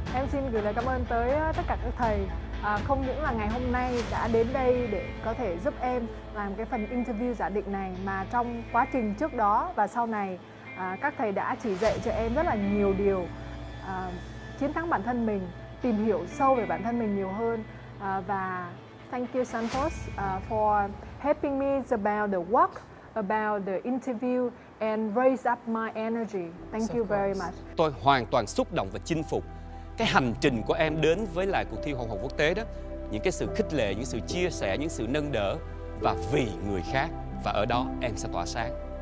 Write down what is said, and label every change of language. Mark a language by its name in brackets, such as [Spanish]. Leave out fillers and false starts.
[Vietnamese] Em xin gửi lời cảm ơn tới tất cả các thầy. Không những là ngày hôm nay đã đến đây để có thể giúp em làm cái phần interview giả định này, mà trong quá trình trước đó và sau này, các thầy đã chỉ dạy cho em rất là nhiều điều. Chiến thắng bản thân mình, tìm hiểu sâu về bản thân mình nhiều hơn. Và [English] thank you Santos for helping me about the work, about the interview and raise up my energy. Thank you very much. [Vietnamese] Tôi hoàn toàn xúc động và chinh phục cái hành trình của em đến với lại cuộc thi Hoàng Hậu Quốc tế đó, những cái sự khích lệ, những sự chia sẻ, những sự nâng đỡ và vì người khác, và ở đó em sẽ tỏa sáng.